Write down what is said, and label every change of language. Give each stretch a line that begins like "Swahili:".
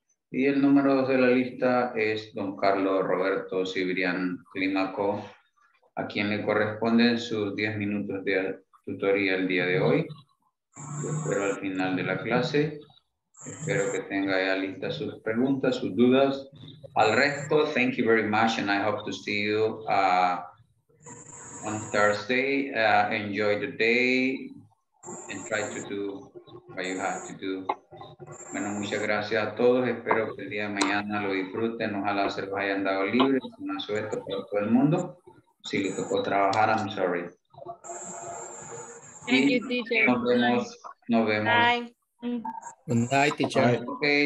Spanish: Y el número dos de la lista es don Carlos Roberto Cibrián Clímaco, a quien le corresponden sus 10 minutos de tutoría el día de hoy. Yo espero al final de la clase. Espero que tenga ya lista sus preguntas, sus dudas. Al resto,
English: thank you very much and I hope to see you on Thursday. Enjoy the day and try to do what you have to do.
Spanish: Bueno, muchas gracias a todos. Espero que el día de mañana lo disfruten. Ojalá se los hayan dado libre. Es una suerte para todo el mundo. Si les tocó trabajar,
English: I'm sorry. Thank you, teacher.
Spanish: Nos vemos. Nos vemos.
English: Bye. Good night, teacher. Bye. Okay,